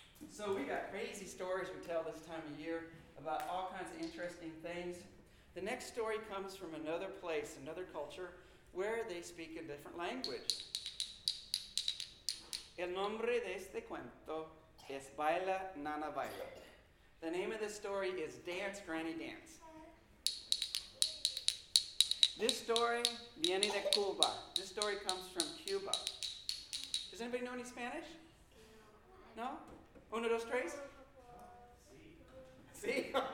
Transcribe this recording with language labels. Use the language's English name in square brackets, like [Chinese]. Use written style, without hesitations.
[English] So we got crazy stories we tell this time of year about all kinds of interesting things. The next story comes from another place, another culture, where they speak a different language. [Spanish] El nombre de este cuento es Baila Nana Baila. [English] The name of this story is Dance Granny Dance. This story [Spanish] viene de Cuba. [English] This story comes from Cuba. Does anybody know any Spanish? No? [Spanish] Uno, dos, tres? Si.